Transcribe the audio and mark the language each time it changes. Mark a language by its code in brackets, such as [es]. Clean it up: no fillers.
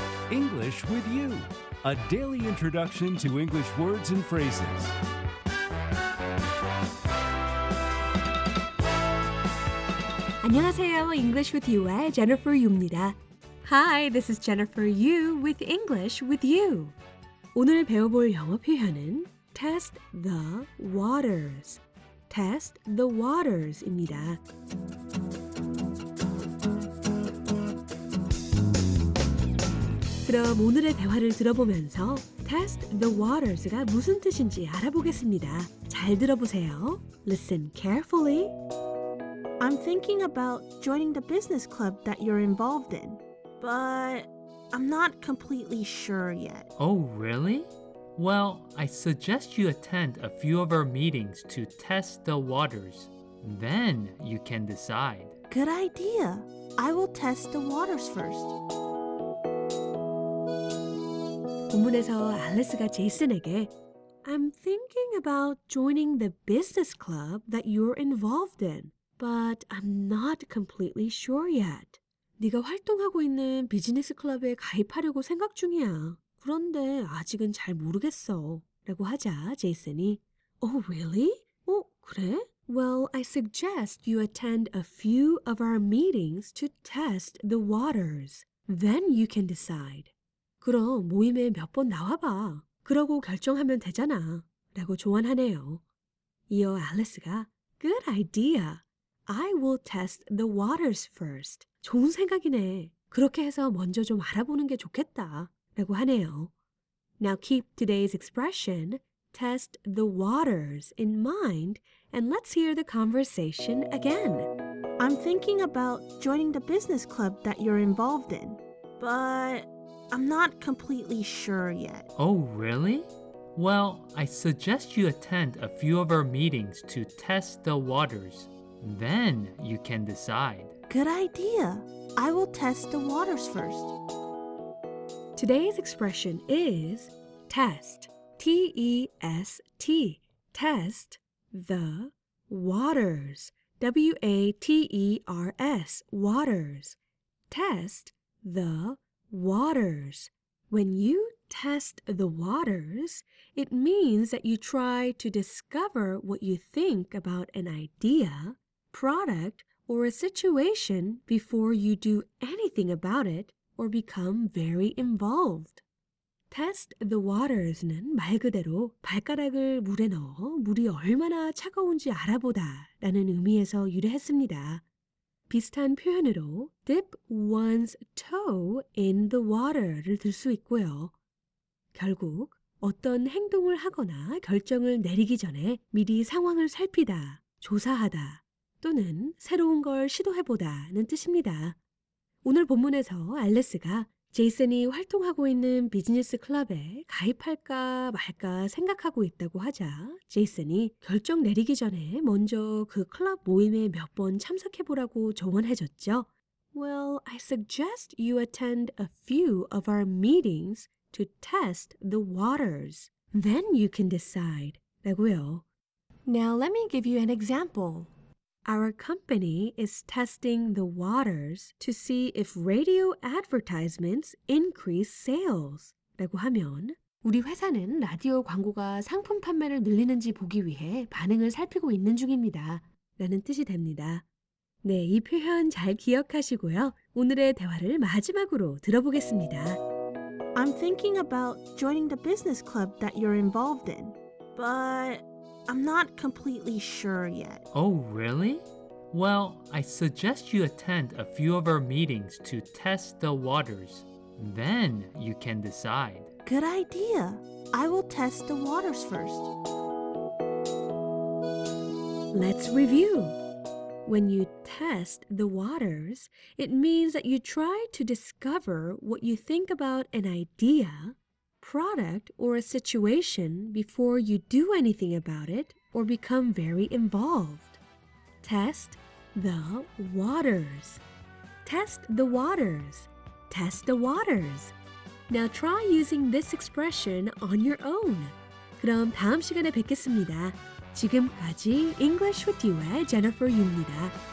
[en] English with you, a daily introduction to English words and phrases. English with you, Jennifer Yu입니다. Hi, this is Jennifer Yu with English with you. [ko] 오늘 배워볼 영어 표현은 [en] test the waters. Test the waters입니다. [ko] 그럼 오늘의 대화를 들어보면서 Test the waters가 무슨 뜻인지 알아보겠습니다. 잘 들어보세요. [en] Listen carefully. I'm thinking about joining the business club that you're involved in, but I'm not completely sure yet. Oh, really? Well, I suggest you attend a few of our meetings to test the waters. Then you can decide. Good idea. I will test the waters first. [ko] 본문에서 알리스가 제이슨에게 [en] I'm thinking about joining the business club that you're involved in, but I'm not completely sure yet. [ko] 네가 활동하고 있는 비즈니스 클럽에 가입하려고 생각 중이야. 그런데 아직은 잘 모르겠어. 라고 하자 제이슨이 [en] Oh, really? [ko] 어, 그래? [en] Well, I suggest you attend a few of our meetings to test the waters. Then you can decide. [ko] 그럼 모임에 몇 번 나와봐. 그러고 결정하면 되잖아. 라고 조언하네요. 이어 알리스가 [en] Good idea. I will test the waters first. [ko] 좋은 생각이네. 그렇게 해서 먼저 좀 알아보는 게 좋겠다. 라고 하네요. [en] Now keep today's expression, test the waters, in mind, and let's hear the conversation again. I'm thinking about joining the business club that you're involved in, but... I'm not completely sure yet. Oh, really? Well, I suggest you attend a few of our meetings to test the waters. Then you can decide. Good idea. I will test the waters first. Today's expression is test. T-E-S-T. Test the waters. W-A-T-E-R-S. Waters. Test the waters. When you test the waters, it means that you try to discover what you think about an idea, product, or a situation before you do anything about it or become very involved. [ko] Test the waters는 말 그대로 발가락을 물에 넣어 물이 얼마나 차가운지 알아보다 라는 의미에서 유래했습니다. 비슷한 표현으로 [en] dip one's toe in the water [ko] 를 들 수 있고요. 결국 어떤 행동을 하거나 결정을 내리기 전에 미리 상황을 살피다, 조사하다 또는 새로운 걸 시도해보다는 뜻입니다. 오늘 본문에서 알리스가 제이슨이 활동하고 있는 비즈니스 클럽에 가입할까 말까 생각하고 있다고 하자 제이슨이 결정 내리기 전에 먼저 그 클럽 모임에 몇 번 참석해보라고 조언해줬죠. [en] Well, I suggest you attend a few of our meetings to test the waters. Then you can decide. 라고요. Now let me give you an example. Our company is testing the waters to see if radio advertisements increase sales. [ko] 라고 하면 우리 회사는 라디오 광고가 상품 판매를 늘리는지 보기 위해 반응을 살피고 있는 중입니다. 라는 뜻이 됩니다. 네, 이 표현 잘 기억하시고요. 오늘의 대화를 마지막으로 들어보겠습니다. [en] I'm thinking about joining the business club that you're involved in, but I'm not completely sure yet. Oh, really? Well, I suggest you attend a few of our meetings to test the waters. Then you can decide. Good idea. I will test the waters first. Let's review. When you test the waters, it means that you try to discover what you think about an idea, product, or a situation before you do anything about it or become very involved. Test the waters. Test the waters. Test the waters. Now try using this expression on your own. [ko] 그럼 다음 시간에 뵙겠습니다. 지금까지 English with You의 Jennifer Yu입니다.